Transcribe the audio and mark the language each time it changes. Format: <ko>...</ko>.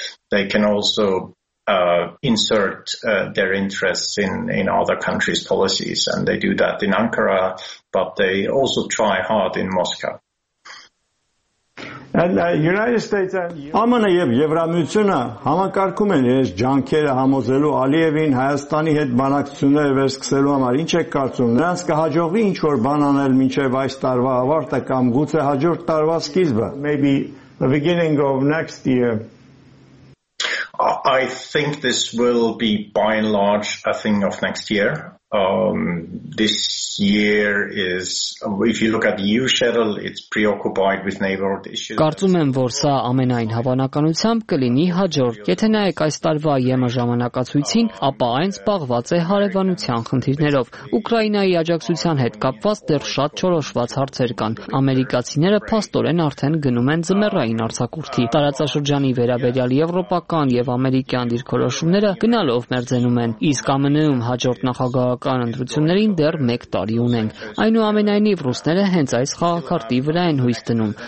<en>They can also insert their interests in other countries' policies, and they do that in Ankara, but they also try hard in Moscow. And United States and</en> <hy>ԱՄՆ-ը եւ Եվրամիությունը համակարգում են իրենց ջանքերը համոզելու Ալիևին Հայաստանի հետ բանակցությունները վերսկսելու համար։ Ինչ է կարծում, նրանց կհաջողվի ինչ որ բան անել մինչեւ այս տարվա ավարտը կամ գուցե հաջորդ տարվա սկիզբը?</hy> <en>Maybe the beginning of next year. I think this will be by and large a thing of next year. This year is, if you look at the EU schedule, it's preoccupied with neighborhood issues.</en> <hy>Կարծում եմ, որ սա ամենայն հավանականությամբ կլինի հաջորդ։ Եթե նայեք այս տարվա ԵՄ-ի ժամանակացույցին, ապա այն զբաղված է հարևանության խնդիրներով։ Ուկրաինայի աջակցության հետ կապված դեռ շատ չորոշված հարցեր կան։ Ամերիկացիները փաստորեն արդեն գնում են զմերային արձակուրդի։ Տարածաշրջանի վերաբերյալ եվրոպական եւ ամերիկյան դիրքորոշումները գնալով մերձենում են։ Իսկ ԱՄՆ-ում հաջորդ նախագահ քաղաքական ընտրություններին դեռ 1 տարի ունենք։ Այնուամենայնիվ ռուսները հենց այս խաղակարտի վրա են հույս դնում,</hy>